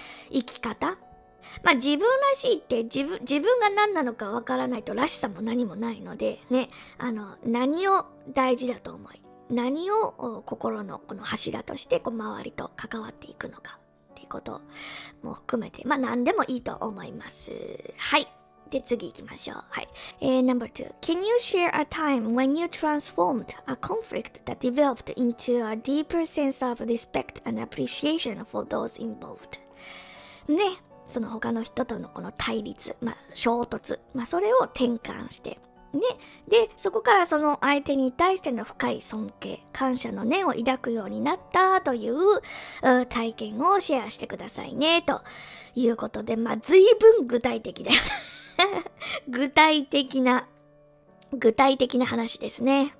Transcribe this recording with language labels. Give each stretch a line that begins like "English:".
Japanese: い生き方、まあ、自分らしいって自分が何なのかわからないと、らしさも何もないのでね、何を大事だと思い、何を心のこの柱としてこう周りと関わっていくのかっていうことも含めて、まあ何でもいいと思います。はい、で次行きましょう。
English: はい、No.2 Can you share a time when you transformed a conflict that developed into a deeper sense of respect and appreciation for those involved?
Japanese: ね、その他の人とのこの対立、まあ、衝突、まあ、それを転換して、ね、でそこからその相手に対しての深い尊敬、感謝の念を抱くようになったという体験をシェアしてくださいねということで、まあ、随分具体的だよ具体的な話ですね。